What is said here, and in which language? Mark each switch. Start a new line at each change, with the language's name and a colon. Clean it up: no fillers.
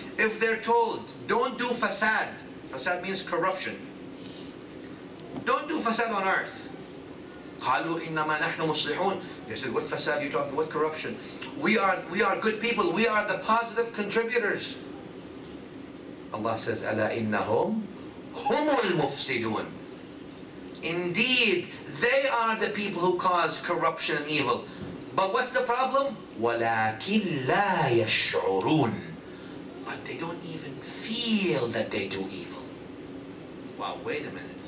English: If they're told, don't do fasad. Fasad means corruption. Don't do fasad on earth.
Arabic: قَالُوا إِنَّمَا نَحْنُ مُصْلِحُونَ.
English: They said, what fasad are you talking about? What corruption? We are good people. We are the positive contributors. Allah says,
Arabic: أَلَا إِنَّهُمْ هُمُ الْمُفْسِدُونَ.
English: Indeed, they are the people who cause corruption and evil. But what's the problem?
Arabic: وَلَكِنْ لَا يَشْعُرُونَ.
English: But they don't even feel that they do evil. Wow, wait a minute.